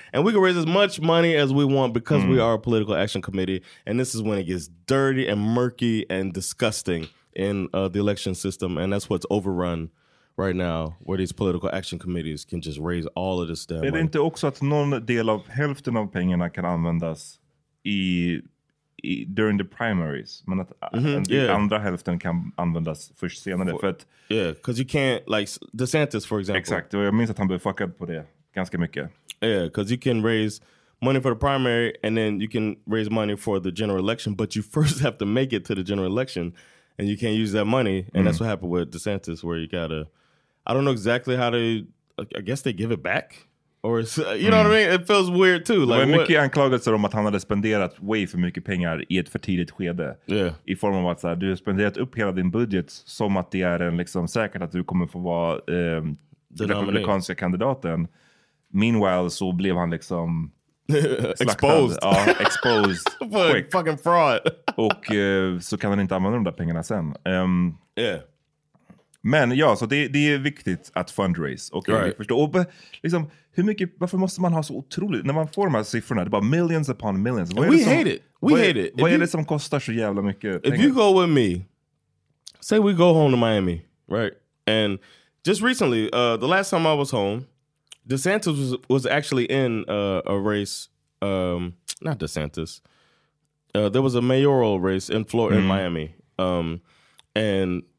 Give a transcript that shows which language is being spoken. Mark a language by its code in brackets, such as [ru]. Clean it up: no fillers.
[en] And we can raise as much money as we want because we are a political action committee. And this is when it gets dirty and murky and disgusting in the election system. And that's what's overrun right now, where these political action committees can just raise all of this damn money. [sv] Är det inte också att någon del av hälften av pengarna kan användas i... [en] during the primaries, [sv] men att andra hälften kan användas först senare. [en] Because you can't, like DeSantis, for example. [sv] Exakt, och jag minns att han blev fuckad på det ganska mycket. [en] Yeah, because you can raise money for the primary and then you can raise money for the general election, but you first have to make it to the general election and you can't use that money. And that's what happened with DeSantis, where you gotta, I don't know exactly how they, I guess they give it back. Or it's, you know what I mean? It feels weird too. [sv] Det var mycket anklagelser om att han hade spenderat way för mycket pengar i ett för tidigt skede. [en] Yeah. [sv] I form av att så här, du har spenderat upp hela din budget som att det är en liksom säkert att du kommer få vara den republikanska kandidaten. Meanwhile så blev han liksom [en] exposed. [sv] Ja, exposed. [en] Fucking fraud. [sv] Och så kan han inte använda de där pengarna sen. [en] Yeah. [sv] Men ja, så det är viktigt att fundraise. [en] Okay? Right. [sv] Förstå. Och liksom, hur mycket, varför måste man ha så otroligt? När man får de här siffrorna, det är bara [en] millions upon millions. [sv] Vad är [en] we som, hate it. We hate it. [sv] Vad är det som kostar så jävla mycket pengar? [en] If you go with me, say we go home to Miami, right? And just recently, the last time I was home, DeSantis was actually in a race. Not DeSantis. There was a mayoral race in Florida, in Miami. And...